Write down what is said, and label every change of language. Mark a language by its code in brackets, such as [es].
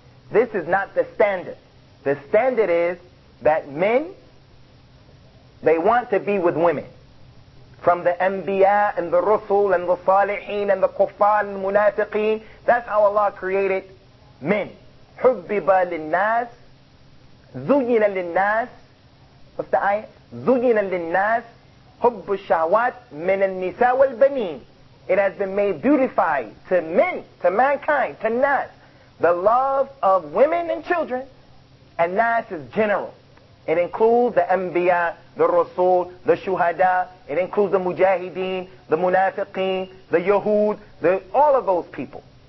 [en] This is not the standard. The standard is that men, they want to be with women. From the Anbiya and the Rusul and the Saliheen and the Kuffar and the Munafiqeen. That's how Allah created men. [ar] حُبِّبَ لِلنَّاسِ زُيِّنَ لِلنَّاسِ. [en] What's the ayah? [ar] زُيِّنَ لِلنَّاسِ حُبُّ الشَّهْوَاتِ مِنَ النِّسَاءِ وَالْبَنِينَ. [en] it has been made dutified to men, to mankind, to Nas, the love of women and children, and Nas is general. It includes the Anbiya, the Rasul, the Shuhada, it includes the Mujahideen, the Munafiqeen, the Yahud, all of those people.